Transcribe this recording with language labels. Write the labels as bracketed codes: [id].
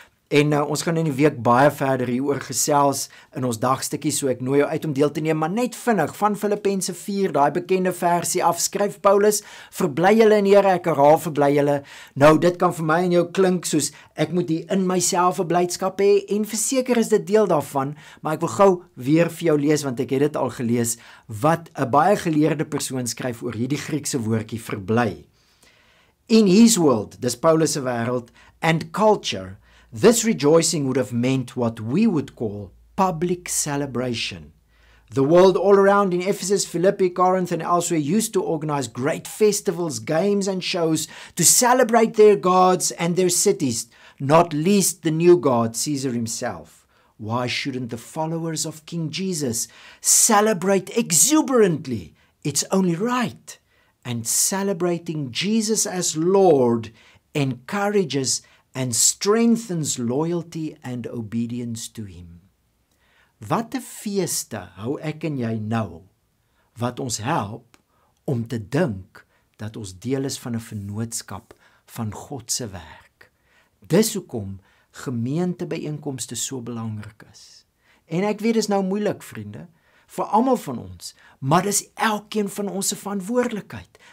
[af] En ons gaan in die week baie verder hieroor gesels in ons dagstukkie, so ek nooi jou uit om deel te neem, maar net vinnig, van Filippense 4, die bekende versie af, skryf Paulus, verbly julle in Here, ek herhaal, verbly julle. Nou, dit kan vir my en jou klink soos, ek moet die in myself 'n blydskap hê, en verseker is dit deel daarvan, maar ek wil gou weer vir jou lees, want ek het dit al gelees, wat 'n baie geleerde persoon skryf oor hierdie Griekse woordjie, verbly. [en] In his world, [af] dis Paulus' wereld, [en] and culture, this rejoicing would have meant what we would call public celebration. The world all around in Ephesus, Philippi, Corinth and elsewhere used to organize great festivals, games and shows to celebrate their gods and their cities, not least the new god, Caesar himself. Why shouldn't the followers of King Jesus celebrate exuberantly? It's only right. And celebrating Jesus as Lord encourages and strengthens loyalty and obedience to him. [af] Wat 'n feeste hou ek en jy nou, wat ons help om te dink dat ons deel is van 'n vennootskap van God se werk. Dis hoekom gemeentebijeenkomste so belangrik is. En ek weet dis nou moeilik, vriende, vir almal van ons, maar dis elkeen van ons se verantwoordelikheid.